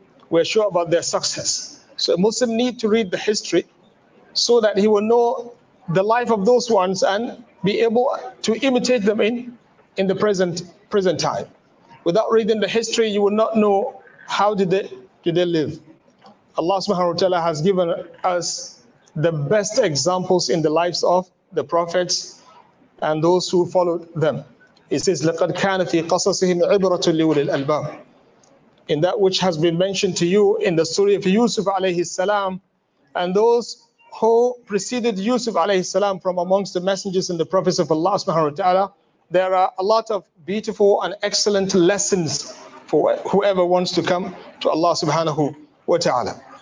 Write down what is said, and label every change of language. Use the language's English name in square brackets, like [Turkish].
[English] We are sure about their success. So a Muslim need to read the history so that he will know the life of those ones and be able to imitate them in the present time. Without reading the history, you will not know how did they live. Allah subhanahu wa ta'ala has given us the best examples in the lives of the prophets and those who followed them. It says, [Arabic] لَقَدْ كَانَ فِي قَصَصِهِمْ عِبْرَةٌ لِّأُولِي الْأَلْبَابِ. [English] In that which has been mentioned to you in the story of Yusuf alayhi salam, and those who preceded Yusuf alayhi salam from amongst the messengers and the prophets of Allah subhanahu wa ta'ala, there are a lot of beautiful and excellent lessons for whoever wants to come to Allah subhanahu wa ta'ala.